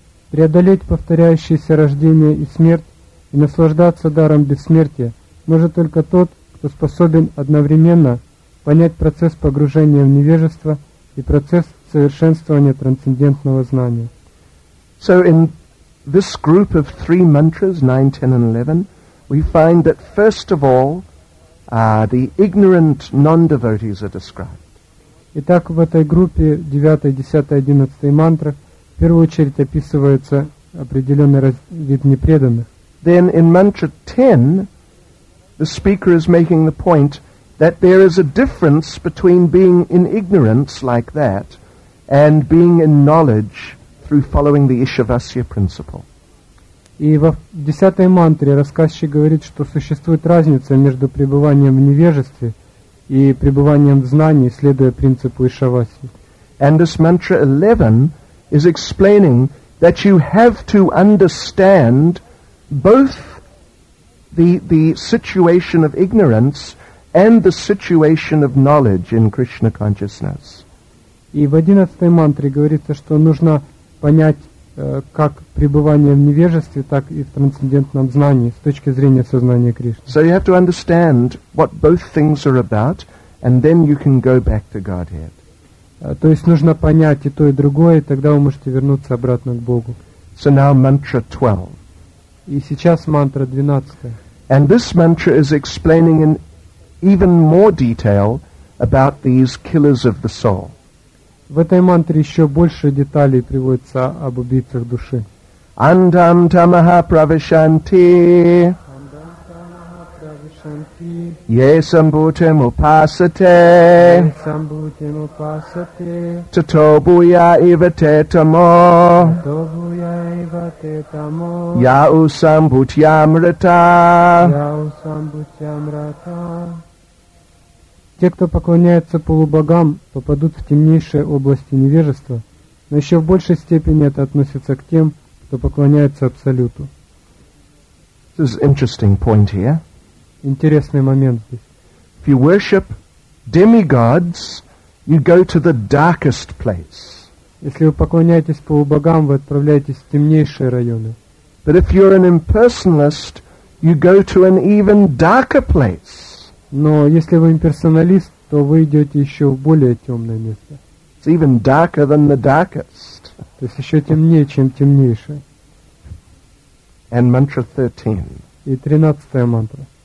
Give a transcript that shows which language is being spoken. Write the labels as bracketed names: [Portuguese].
[Russian] Преодолеть повторяющееся рождение и смерть и наслаждаться даром бессмертия может только тот, кто способен одновременно понять процесс погружения в невежество и процесс совершенствования трансцендентного знания. [English] So in this group of three mantras, 9, 10 and 11, we find that first of all, the ignorant non-devotees are described. [Russian] Итак, в этой группе 9, 10, 11 мантры в первую очередь описывается определенный вид непреданных. [English] Then in mantra 10, the speaker is making the point that there is a difference between being in ignorance like that and being in knowledge through following the Ishavasya principle. [Russian] И в десятой мантре рассказчик говорит, что существует разница между пребыванием в невежестве и пребыванием в знании, следуя принципу Ишавасьи. [English] And this mantra 11 is explaining that you have to understand both the situation of ignorance and the situation of knowledge in Krishna consciousness. [Russian] И в 11-й мантре говорится, что нужно понять как пребывание в невежестве, так и в трансцендентном знании с точки зрения сознания Кришны. [English] So you have to understand what both things are about, and then you can go back to Godhead. [Russian] То есть нужно понять и то, и другое, и тогда вы можете вернуться обратно к Богу. [English] So now mantra 12. [Russian] И сейчас мантра 12. [English] And this mantra is explaining in even more detail about these killers of the soul. [Russian] В этой мантре еще больше деталей приводится об убийцах души. [Sanskrit] Андам тамаха правишанти. Yesambhutim upasate. Yesambhutim upasate. Tatobuya ivate tamo. Tatobuya ivate tamo. Yausambhutyamrata. Yausambhutyamrata. [Russian] Те, кто поклоняется полубогам, попадут в темнейшие области невежества, но еще в большей степени это относится к тем, кто поклоняется Абсолюту. [English] This is an interesting point here. [Russian] Интересный момент здесь. [English] If you worship demigods, you go to the darkest place. [Russian] Если вы поклоняетесь полубогам, вы отправляетесь в темнейшие районы. [English] But if you're an impersonalist, you go to an even darker place. [Russian] Но если вы имперсоналист, то вы идете еще в более темное место. [English] It's even darker than the darkest. [Russian] То есть еще темнее, чем темнейшее. [English] And mantra 13. [Russian] И 13-я мантра.